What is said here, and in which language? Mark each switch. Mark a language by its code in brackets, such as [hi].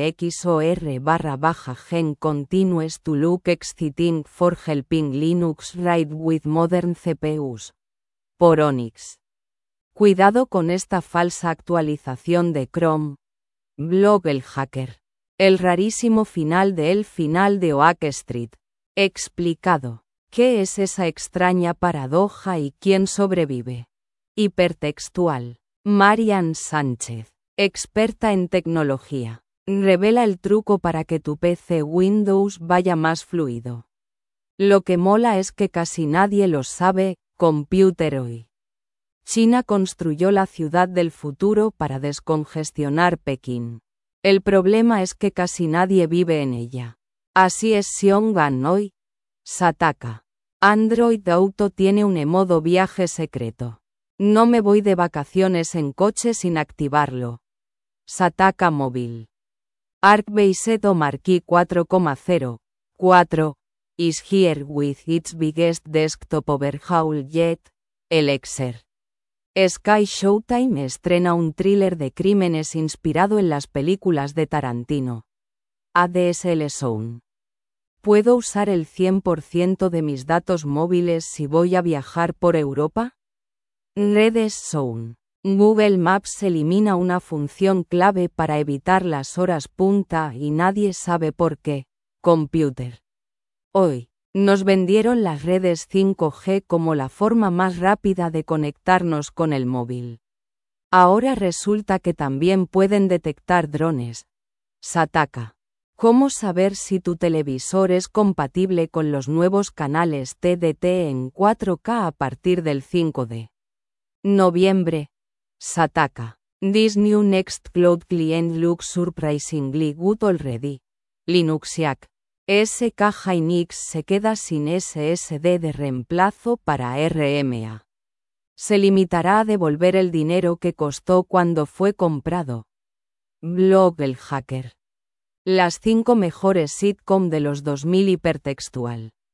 [en] AVX512XOR/Gen continues to look exciting for helping Linux ride with modern CPUs. [es] Por Onyx. Cuidado con esta falsa actualización de Chrome. Blog El Hacker. El rarísimo final de El Final de Oak Street. Explicado. ¿Qué es esa extraña paradoja y quién sobrevive? Hipertextual. Marian Sánchez. Experta en tecnología. Revela el truco para que tu PC Windows vaya más fluido. Lo que mola es que casi nadie lo sabe, Computer Hoy. China construyó la ciudad del futuro para descongestionar Pekín. El problema es que casi nadie vive en ella. Así es Xiong'an Hoy. Sataka. Android Auto tiene un modo viaje secreto. No me voy de vacaciones en coche sin activarlo. Sataka Móvil. [en] ArcBase o Marquee 4.0.4 is here with its biggest desktop overhaul yet, Elixir. [es] Sky Showtime estrena un thriller de crímenes inspirado en las películas de Tarantino. ADSL Zone. ¿Puedo usar el 100% de mis datos móviles si voy a viajar por Europa? Redes Zone. Google Maps elimina una función clave para evitar las horas punta y nadie sabe por qué. Computer. Hoy, nos vendieron las redes 5G como la forma más rápida de conectarnos con el móvil. Ahora resulta que también pueden detectar drones. Sataka. ¿Cómo saber si tu televisor es compatible con los nuevos canales TDT en 4K a partir del 5 de noviembre? Sataka. [en] This new Next Cloud client looks surprisingly good already. Linuxiac. [es] SK Hynix se queda sin SSD de reemplazo para RMA. Se limitará a devolver el dinero que costó cuando fue comprado. Blog el hacker. Las 5 mejores sitcom de los 2000 hipertextual.